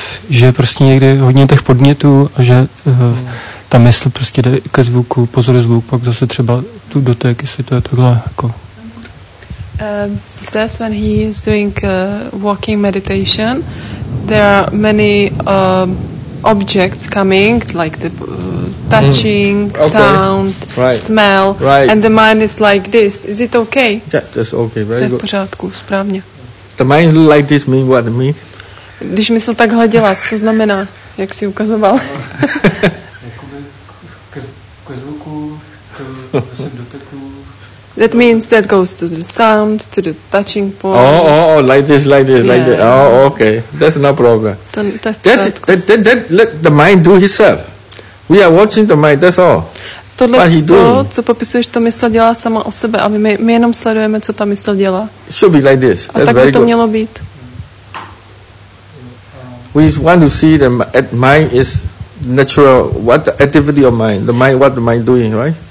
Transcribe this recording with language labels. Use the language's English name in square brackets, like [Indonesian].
[Czech] Že prostě někdy hodně těch podnětů a že ta mysl prostě jde ke zvuku, pozor zvuk, pak zase třeba tu dotek, jestli to je takhle jako. [English] He says when he is doing walking meditation, there are many objects coming, like the touching, okay. Sound, right. Smell, right. And the mind is like this. Is it okay? Yeah, that's okay. Very good. [Czech] V pořádku, správně. [English] The mind like this mean what? Mean? [Czech] Když mysl takhle dělá, co to znamená, jak jsi ukazoval? Jakoby ke zvuku, ke dotyku. [English] That means that goes to the sound, to the touching point. Like this. Oh, okay. That's no problem. The mind do itself. We are watching the mind, that's all. [Czech] Tohle to, co popisuješ, to mysl dělá sama o sebe a my jenom sledujeme, co ta mysl dělá. [English] It should be like this. [Czech] A tak by to mělo být. [English] We want to see that mind is natural, what the activity of mind, the mind, what the mind doing, right?